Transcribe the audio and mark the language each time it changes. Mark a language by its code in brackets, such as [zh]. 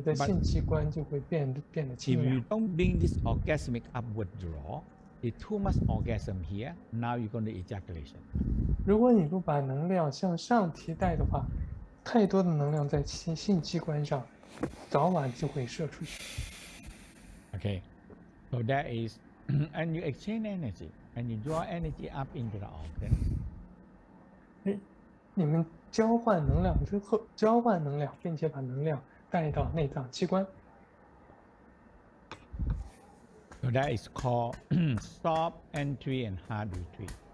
[zh] 现在你需要做的就是把这个性能量提升上来之后，你的性器官就会变得轻。 [en] If you don't bring this orgasmic upward draw, it too much orgasm here. Now you're going to ejaculation. [zh] 如果你不把能量向上提带的话，太多的能量在性器官上，早晚就会射出去。Okay, [en] so that is, and you exchange energy, and you draw energy up into the organ. [zh] 你们交换能量之后，交换能量，并且把能量带到内脏器官。So [en] that is called soft entry and hard retreat.